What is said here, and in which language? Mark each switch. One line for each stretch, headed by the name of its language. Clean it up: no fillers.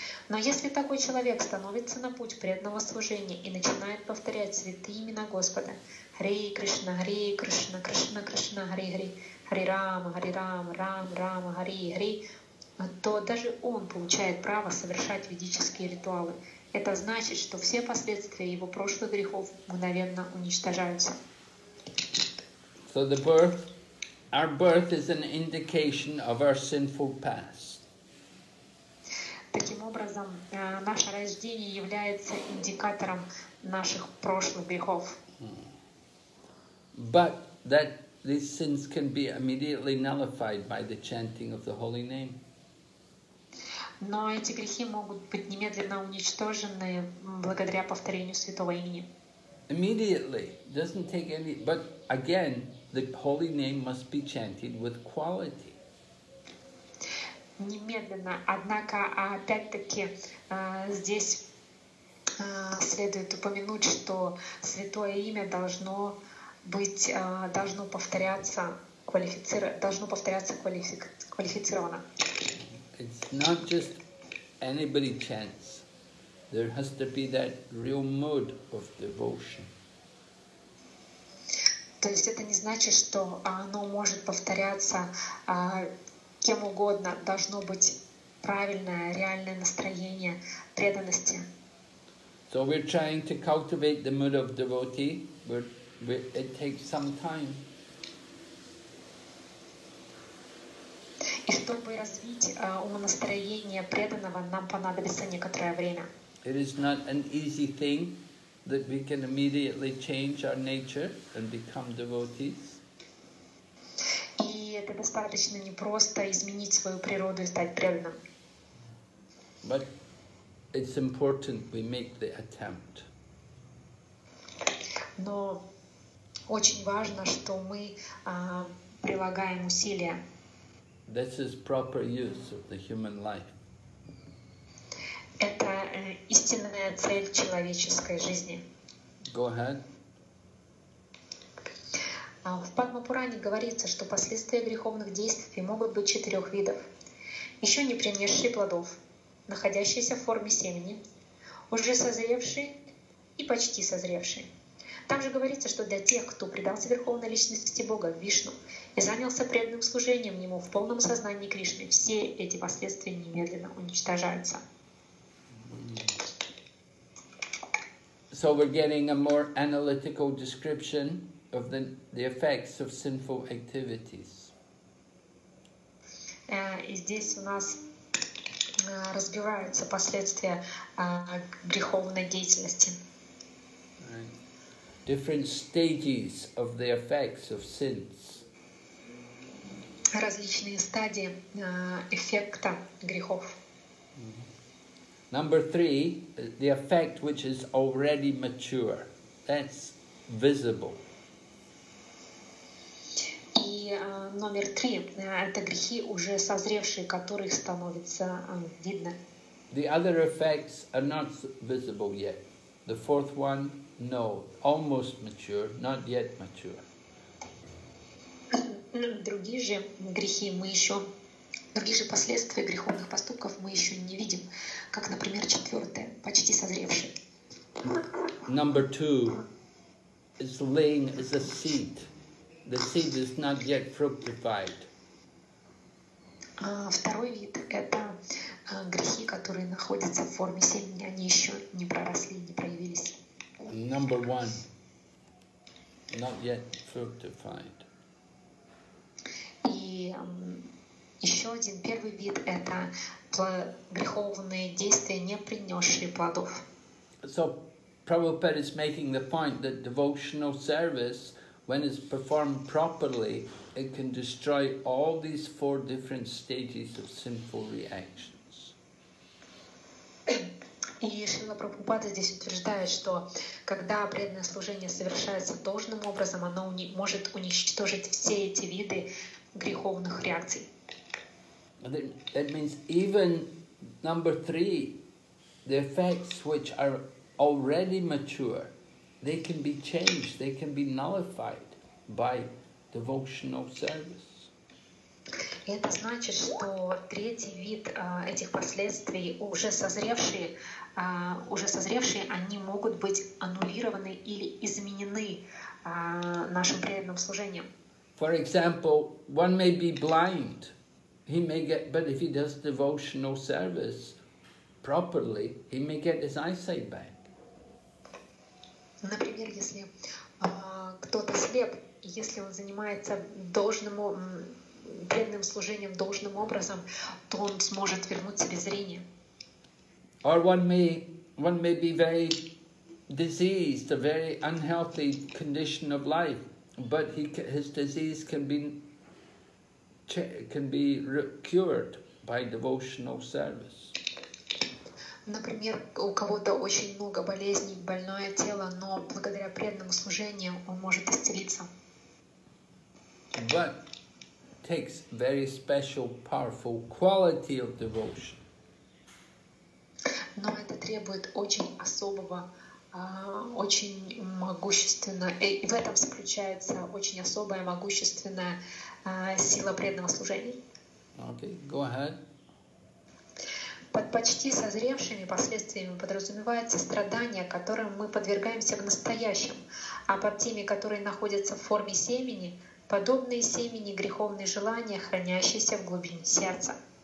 Russian: Но если такой человек становится на путь преданного служения и начинает повторять святые имена Господа, Хари Кришна, Кришна Кришна, Хари Хари, Хари Рама, Хари Рама, Рама Рама, Хари Хари, то даже он получает право совершать ведические ритуалы. Это значит, что все последствия его прошлых грехов мгновенно уничтожаются.
English: So the birth. Our birth is an indication of our sinful past.
Russian: Таким образом, наше рождение является индикатором наших прошлых грехов.
English: But that these sins can be immediately nullified by the chanting of the holy name.
Russian: Но эти грехи могут быть немедленно уничтожены благодаря повторению святого имени.
English: Immediately doesn't take any, but again, the holy name must be chanted with quality.
Russian: Немедленно, однако, опять-таки, здесь следует упомянуть, что святое имя должно быть, должно повторяться квалифицированно.
English: It's not just anybody chants. There has to be that real mood of devotion.
Russian: То есть это не значит, что оно может повторяться кем угодно. Должно быть правильное, реальное настроение преданности.
English: So we're trying to cultivate the mood of devotee, but it takes some time.
Russian: И чтобы развить умонастроение преданного, нам понадобится некоторое время.
English: It is not an easy thing that we can immediately change our nature and become devotees.
Russian: И это достаточно непросто изменить свою природу и стать преданным.
English: But it's important we make the attempt.
Russian: Но очень важно, что мы прилагаем усилия.
English: This is proper use of the human life.
Russian: Это истинная цель человеческой жизни.
English: Go ahead.
Russian: В Падмапуране говорится, что последствия греховных действий могут быть четырех видов. Еще не принесшие плодов, находящиеся в форме семени, уже созревшие и почти созревшие. Там же говорится, что для тех, кто предался Верховной Личности Бога, Вишну, и занялся преданным служением Ему в полном сознании Кришны, все эти последствия немедленно уничтожаются.
English: So we're getting a more analytical description of the effects of sinful activities.
Russian: И здесь у нас разбиваются последствия греховной деятельности.
English: Right. Different stages of the effects of sins.
Russian: Различные стадии эффекта грехов.
English: Number three, the effect which is already mature, that's visible.
Russian: И номер три, это грехи уже созревшие, которых становится видно.
English: The other effects are not visible yet. The fourth one, no, almost mature, not yet mature.
Russian: Другие же грехи мы еще Другие же последствия греховных поступков мы еще не видим, как, например, четвертое, почти созревший.
English: Number two is laying as a seed. The seed is not yet fructified.
Russian: Второй вид – это грехи, которые находятся в форме семени, они еще не проросли, не проявились.
English: Number one – not yet fructified.
Russian: И еще один первый вид – это греховные действия, не принесшие плодов.
English: So, Prabhupada is making the point that devotional service, when it's performed properly, it can destroy all these four different stages of sinful reactions.
Russian: И Шрила Прабхупада здесь утверждает, что когда преданное служение совершается должным образом, оно может уничтожить все эти виды греховных реакций.
English: That means even number three, the effects which are already mature, they can be changed, they can be nullified by devotional service.
Russian: Это значит, что третий вид этих последствий, уже созревшие, они могут быть аннулированы или изменены нашим преданным служением.
English: For example, one may be blind. He may get, but if he does devotional service properly, he may get his eyesight back.
Russian: Например, если кто-то слеп, если он занимается должным преданным служением должным образом, то он сможет вернуть себе зрение.
English: Or one may be very diseased, a very unhealthy condition of life, but his disease can be cured by devotional service.
Russian: Например, у кого-то очень много болезней, больное тело, но благодаря преданному служению он может исцелиться.
English: But takes very special, powerful quality of devotion.
Russian: Но это требует очень особого, очень могущественного, и в этом заключается очень особая могущественная сила преданного служения.
English: Okay, go ahead.
Russian: Под почти созревшими последствиями подразумевается страдания, которым мы подвергаемся в настоящем, а под теми, которые находятся в форме семени, подобные семени греховные желания, хранящиеся в глубине сердца.